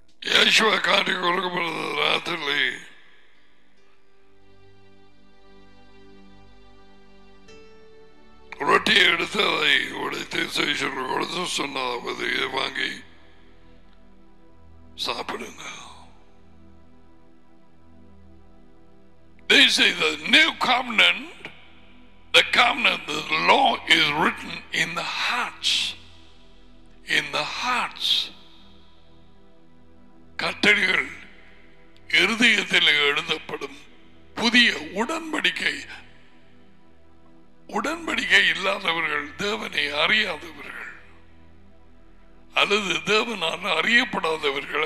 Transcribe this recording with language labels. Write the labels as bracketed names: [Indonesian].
[Tamil] யேசுவை காட்டி கொடுக்கப்படுது ராத்திரி ரொட்டி எடுத்து அதை உடைத்து சுவிசேஷம் கொடுத்து சொன்னதை வாங்கி சாப்பிடுங்க. [English] This is the new covenant. The covenant, the law is written in the hearts. In the hearts. [Tamil] கட்டடிகள் இருதயத்தில் எழுதப்படும் புதிய உடன்படிக்கை. உடன்படிக்கை இல்லாதவர்கள் தேவனை அறியாதவர்கள் அல்லது தேவனால் அறியப்படாதவர்கள்.